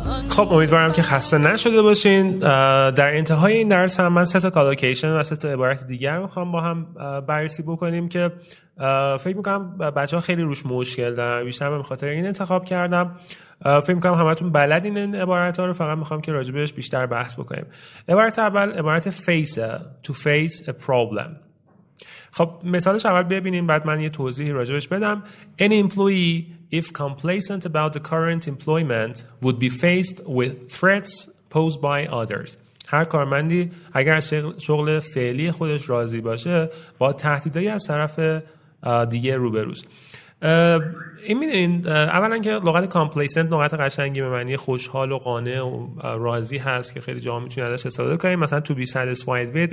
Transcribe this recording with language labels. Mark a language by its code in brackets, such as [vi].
[fa] خب امیدوارم که خسته نشده باشین. در انتهای این درس هم من سه تا کالوکیشن و سه تا عبارت دیگر میخوام با هم بررسی بکنیم که فکر میکنم بچه ها خیلی روش مشکل دارن، بیشتر به خاطر این انتخاب کردم. فکر میکنم همتون بلدین این عبارت ها رو، فقط میخوام که راجبش بیشتر بحث بکنیم. عبارت اول عبارت face، [en] to face a problem. [fa] خب مثالش اول ببینیم بعد من یه توضیحی راجبش بدم. [en] Any employee if complacent about the current employment would be faced with threats posed by others. [fa] هر کارمندی اگر شغل فعلی خودش راضی باشه با تهدیدهایی از طرف دیگه روبروست. این میدونین اولا که لغت complacent لغت قشنگی به معنی خوشحال و قانع و راضی هست که خیلی جا میتونید ازش استفاده کنیم، مثلا [en] to be satisfied with.